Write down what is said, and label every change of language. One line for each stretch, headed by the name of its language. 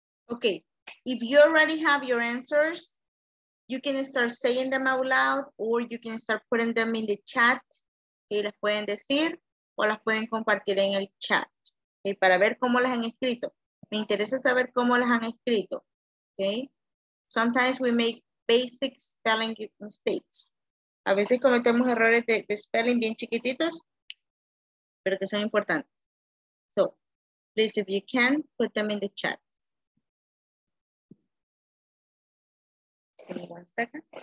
English: Okay, if you already have your answers, you can start saying them out loud or you can start putting them in the chat.
Spanish: Y las pueden decir o las pueden compartir en el chat. Okay, para ver cómo las han escrito. Me interesa saber cómo las han escrito.
English: Okay, sometimes we make basic spelling mistakes.
Spanish: A veces cometemos errores de spelling bien chiquititos, pero que son importantes.
English: So, please, if you can, put them in the chat. Give me one second.